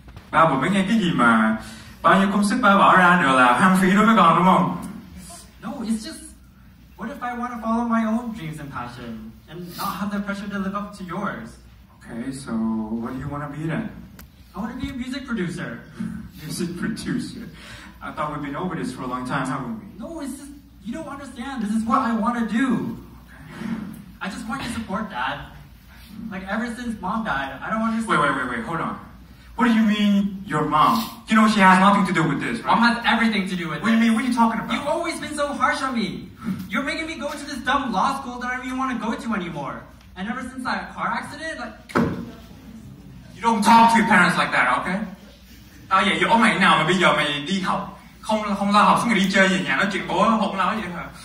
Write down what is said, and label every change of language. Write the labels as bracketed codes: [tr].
[vi] Ba vừa mới nghe cái gì mà bao nhiêu công sức ba bỏ ra đều là hoang phí đối với con đúng không? [en] No, it's just, what if I want to follow my own dreams and passion and not have the pressure to live up to yours? Okay, so what do you want to be then? I want to be a music producer. Music producer? I thought we've been over this for a long time, haven't we? No, it's just, you don't understand. This is what I want to do. Okay. I just want your support, Dad. Like, ever since mom died, I don't understand. Wait, hold on. What do you mean, your mom? You know, she has nothing to do with this, right? Mom has everything to do with it. What do you mean? What are you talking about? You've always been so harsh on me. You're making me go to this dumb law school that I don't even want to go to anymore. And ever since that car accident, like... You don't talk to your parents like that, okay? [vi] Tao dạy dỗ mày nào mà bây giờ mày đi học. Không lo học, xong rồi đi chơi về nhà nói chuyện bố, không lo gì hả?